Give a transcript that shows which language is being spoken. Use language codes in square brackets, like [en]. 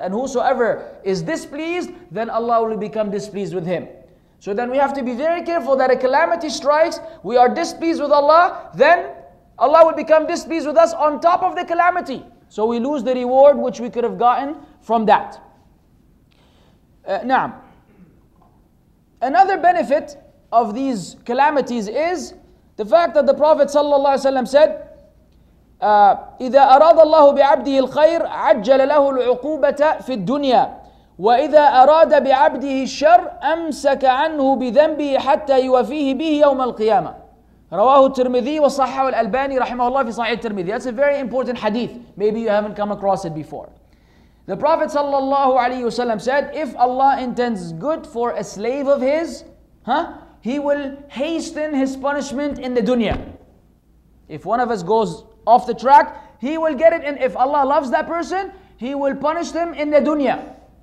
[en] And whosoever is displeased, then Allah will become displeased with him. So then we have to be very careful that a calamity strikes, we are displeased with Allah, then Allah will become displeased with us on top of the calamity. So we lose the reward which we could have gotten from that. Na'am. Another benefit of these calamities is the fact that the Prophet ﷺ said, [ar] إِذَا أَرَادَ اللَّهُ بِعَبْدِهِ الْخَيْرِ عَجَّلَ لَهُ الْعُقُوبَةَ فِي الدُّنْيَا وَإِذَا أَرَادَ بِعَبْدِهِ الشَّرِ أَمْسَكَ عَنْهُ بِذَنْبِهِ حَتَّى يُوَفِيهِ بِهِ يَوْمَ الْقِيَامَةِ رواه الترمذي وصححه الألباني رحمه الله في صحيح الترمذي. [en] That's a very important hadith. Maybe you haven't come across it before. The Prophet sallallahu alayhi wasallam said, if Allah intends good for a slave of his, huh, he will hasten his punishment in the dunya. If one of us goes off the track, he will get it. And if Allah loves that person, he will punish them in the dunya.